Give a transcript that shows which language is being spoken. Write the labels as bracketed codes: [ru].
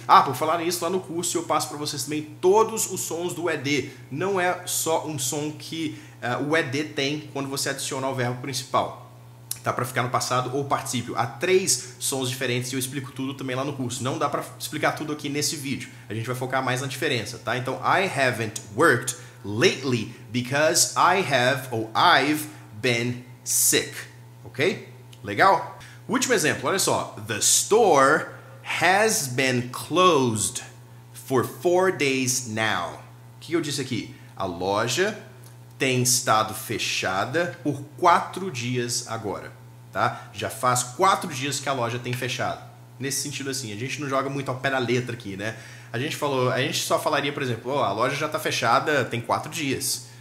[pt] Ah, por falar nisso, lá no curso eu passo para vocês também todos os sons do ED. Não é só um som que o ED tem quando você adiciona o verbo principal. Tá, para ficar no passado ou particípio. Há três sons diferentes e eu explico tudo também lá no curso. Não dá para explicar tudo aqui nesse vídeo. A gente vai focar mais na diferença, tá? Então, [en] I haven't worked lately because I have or I've been sick. Ok? [pt] Legal? Último exemplo, olha só. [en] The store has been closed for 4 days now. [pt] O que eu disse aqui? A loja tem estado fechada por 4 dias agora, tá? Já faz 4 dias que a loja tem fechado. Nesse sentido assim, a gente não joga muito ao pé da letra aqui, né? A gente só falaria, por exemplo, oh, a loja já tá fechada tem 4 dias.